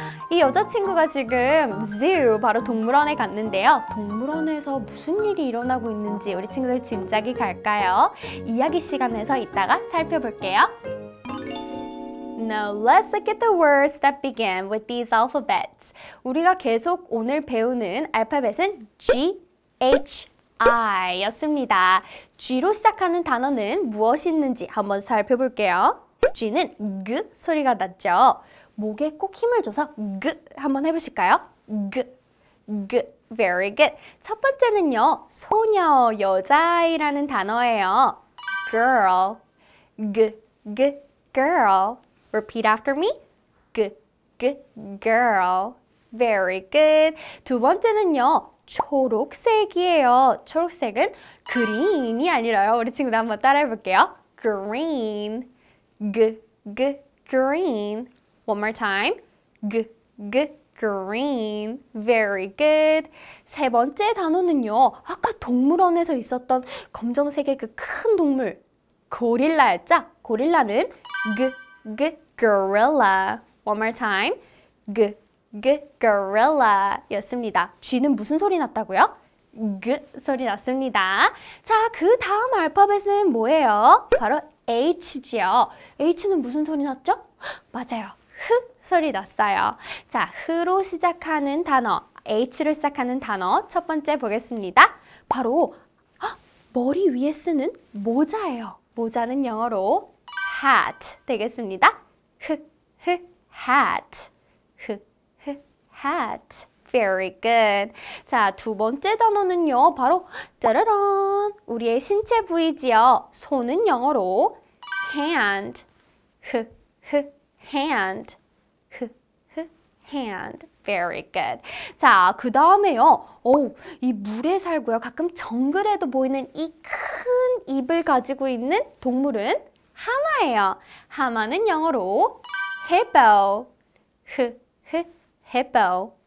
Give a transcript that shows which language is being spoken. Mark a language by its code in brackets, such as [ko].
[ko] 이 여자친구가 지금 zoo, 바로 동물원에 갔는데요. 동물원에서 무슨 일이 일어나고 있는지 우리 친구들 짐작이 갈까요? 이야기 시간에서 이따가 살펴볼게요. [en] Now let's look at the words that begin with these alphabets. [ko] 우리가 계속 오늘 배우는 알파벳은 G, H, I 였습니다. G로 시작하는 단어는 무엇이 있는지 한번 살펴볼게요. G는 G 소리가 났죠. 목에 꼭 힘을 줘서 G 한번 해보실까요? [en] G, G, very good. [ko] 첫 번째는요, 소녀, 여자아이라는 단어예요. [en] Girl, G, G, girl. Repeat after me. G, G, girl. Very good. [ko] 두 번째는요, 초록색이에요. 초록색은 green이 아니라요. 우리 친구들 한번 따라해볼게요. [en] Green. G, G, green. One more time. G, G, green. Very good. [ko] 세 번째 단어는요, 아까 동물원에서 있었던 검정색의 그 큰 동물, 고릴라였죠? 고릴라는 [en] G, G, gorilla. One more time. G, G, gorilla [ko] 였습니다. G는 무슨 소리 났다고요? G 소리 났습니다. 자, 그 다음 알파벳은 뭐예요? 바로 H죠. H는 무슨 소리 났죠? 맞아요. H 소리 났어요. 자, H로 시작하는 단어, H로 시작하는 단어 첫 번째 보겠습니다. 바로 머리 위에 쓰는 모자예요. 모자는 영어로 hat 되겠습니다. [en] H, H, hat. H, H, hat. Very good. [ko] 자, 두 번째 단어는요, 바로 짜라란, 우리의 신체 부위지요. 손은 영어로 [en] hand, h, h, hand, h, h, hand. Very good. [ko] 자, 그 다음에요. 이 물에 살고요. 가끔 정글에도 보이는 이 큰 입을 가지고 있는 동물은 하마예요. 하마는 영어로 [en] hippo, h, h, hippo.